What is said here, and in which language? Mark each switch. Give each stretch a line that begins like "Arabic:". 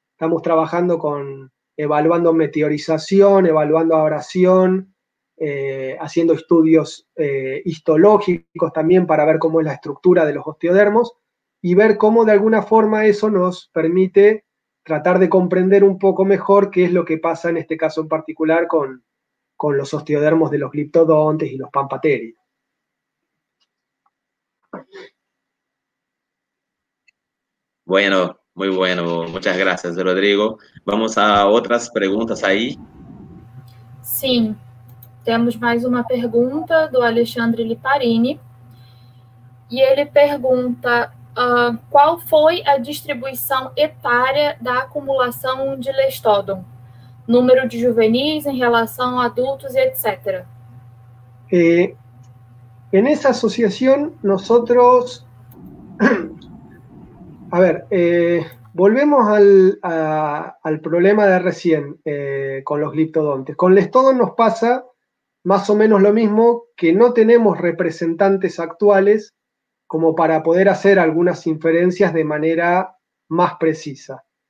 Spanish: Estamos trabajando con evaluando meteorización, evaluando abrasión, haciendo estudios histológicos también para ver cómo es la estructura de los osteodermos y ver cómo de alguna forma eso nos permite tratar de comprender un poco mejor qué es lo que pasa en este caso en particular con los osteodermos de los gliptodontes y los pampaterios. Bueno, muy bueno. Muchas gracias, Rodrigo. Vamos a otras preguntas ahí.
Portuguese: Sim, temos mais uma pergunta do Alexandre Liparini. E ele pergunta qual foi a distribuição etária da acumulação de lestódon? Número de juvenis em relação a adultos e etc.
Spanish: En esa asociación, nosotros, a ver, volvemos al problema de recién con los gliptodontes. Con lestodon nos pasa más o menos lo mismo, que no tenemos representantes actuales como para poder hacer algunas inferencias de manera más precisa.